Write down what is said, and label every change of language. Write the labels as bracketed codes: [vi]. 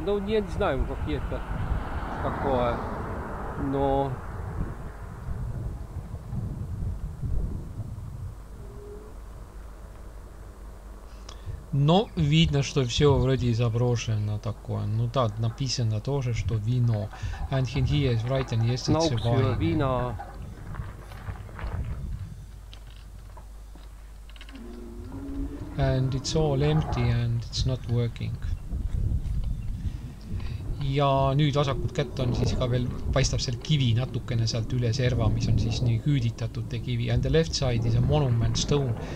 [ru] Ну, не знаю, как это такое, но... Но видно, что все вроде заброшено такое. Ну да, написано тоже, что вино. [en] And in here is written, yes, it's wine. [ru] Вино. [en] And it's all empty and it's not working. [et] Ja nüüd vasakud kätt on siis ka veel, paistab seal kivi natukene sealt üle serva, mis on siis nii küüditatud te kivi. [en] And the left side is a monument stone.